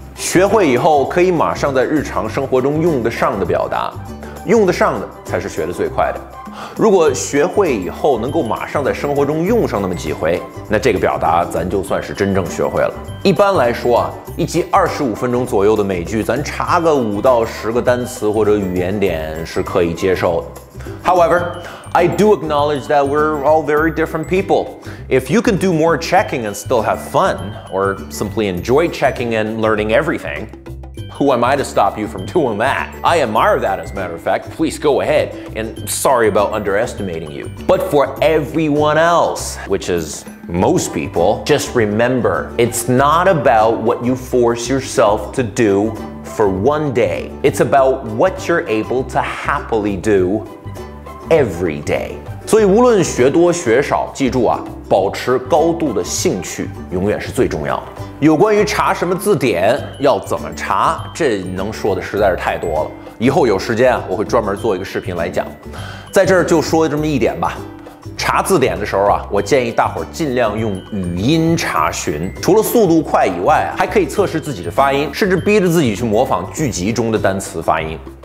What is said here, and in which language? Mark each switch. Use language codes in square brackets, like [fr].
[zh] 学会以后可以马上在日常生活中用得上的表达，用得上的才是学得最快的。如果学会以后能够马上在生活中用上那么几回，那这个表达咱就算是真正学会了。一般来说啊，一集25分钟左右的美剧，咱查个5到10个单词或者语言点是可以接受的。 [en] However, I do acknowledge that we're all very different people. If you can do more checking and still have fun, or simply enjoy checking and learning everything,Who am I to stop you from doing that? I admire that, as a matter of fact. Please go ahead. And sorry about underestimating you. But for everyone else, which is most people, just remember, it's not about what you force yourself to do for one day. It's about what you're able to happily do every day. [zh] 所以无论学多学少，记住啊，保持高度的兴趣永远是最重要的。有关于查什么字典，要怎么查，这能说的实在是太多了。以后有时间啊，我会专门做一个视频来讲。在这儿就说这么一点吧。查字典的时候啊，我建议大伙儿尽量用语音查询，除了速度快以外啊，还可以测试自己的发音，甚至逼着自己去模仿剧集中的单词发音。